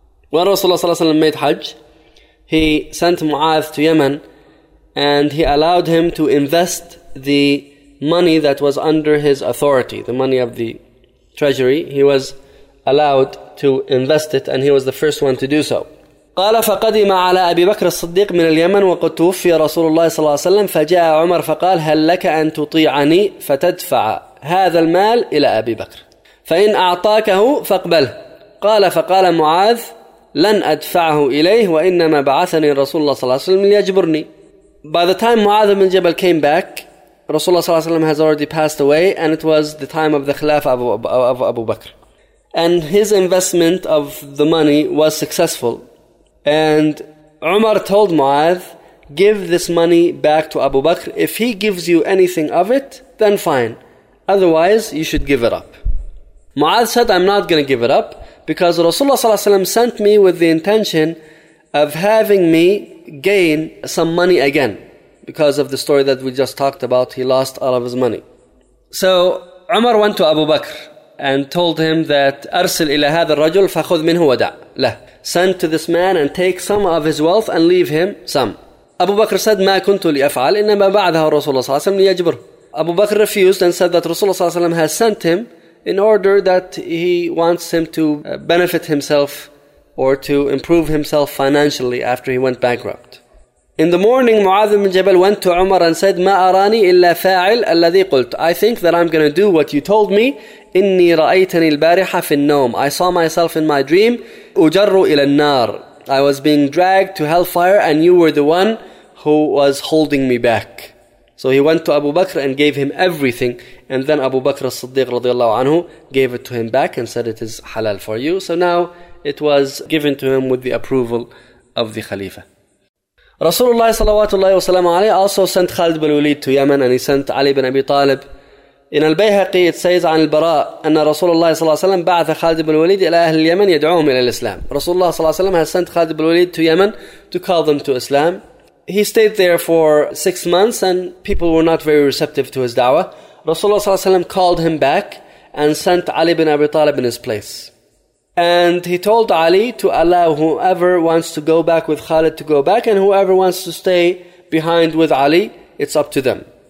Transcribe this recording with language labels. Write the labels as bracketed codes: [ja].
[en] When Rasulullah صلى الله عليه وسلم made Hajj, he sent Mu'adh to Yemen and he allowed him to invest the money that was under his authority, the money of the treasury, he was allowed to invest it, and he was the first one to do so. [ar] قال فقدم على أبي بكر الصديق من اليمن وقد توفي رسول الله صلى الله عليه وسلم فجاء عمر فقال هل لك أن تطيعني فتدفع هذا المال إلى أبي بكر فإن أعطاكه فاقبله قال فقال معاذ لن أدفعه إليه وإنما بعثني رسول الله صلى الله عليه وسلم ليجبرني. [en] By the time Muadh ibn Jabal came back, Rasulullah sallallahu alayhi wa sallam has already passed away, and it was the time of the Khilafah of Abu Bakr. And his investment of the money was successful. And Umar told Muadh, give this money back to Abu Bakr. If he gives you anything of it, then fine. Otherwise, you should give it up. Muadh said, I'm not going to give it up, because Rasulullah sallallahu alayhi wa sallam sent me with the intention of having me gain some money again. Because of the story that we just talked about, he lost all of his money. So Umar went to Abu Bakr and told him that [ar] أرسل إلى هذا الرجل فخذ منه ودع له. [en] Send to this man and take some of his wealth and leave him some. Abu Bakr said, [ar] ما كنت لأفعل إنما بعدها رسول الله صلى الله عليه وسلم ليجبر. [en] Abu Bakr refused and said that Rasulullah صلى الله عليه وسلم has sent him in order that he wants him to benefit himself or to improve himself financially after he went bankrupt. In the morning, Muadh ibn Jabal went to Umar and said, [ar] "Ma arani illa fa'il alladhi qult." [en] I think that I'm going to do what you told me. [ar] Inni ra'aytani al-bariha fi an-nawm. [en] I saw myself in my dream. [ar] Ujarru ila an-nar. [en] I was being dragged to hellfire, and you were the one who was holding me back. So he went to Abu Bakr and gave him everything, and then Abu Bakr as-Siddiq radiyallahu anhu gave it to him back and said, "It is halal for you." So now it was given to him with the approval of the Khalifa. Rasulullah sallallahu alayhi wa sallam also sent Khalid bin Walid to Yemen, and he sent Ali bin Abi Talib. In Al-Bayhaqi, it says [ar] عن البراء أن رسول الله صلى الله عليه وسلم بعث خالد بن الوليد إلى أهل اليمن يدعوهم إلى الإسلام. [en] Rasulullah sallallahu alayhi wa sallam has sent Khalid bin Walid to Yemen to call them to Islam. He stayed there for 6 months, and people were not very receptive to his da'wah. Rasulullah sallallahu alayhi wa sallam called him back and sent Ali bin Abi Talib in his place. And he told Ali to allow whoever wants to go back with Khalid to go back, and whoever wants to stay behind with Ali, it's up to them.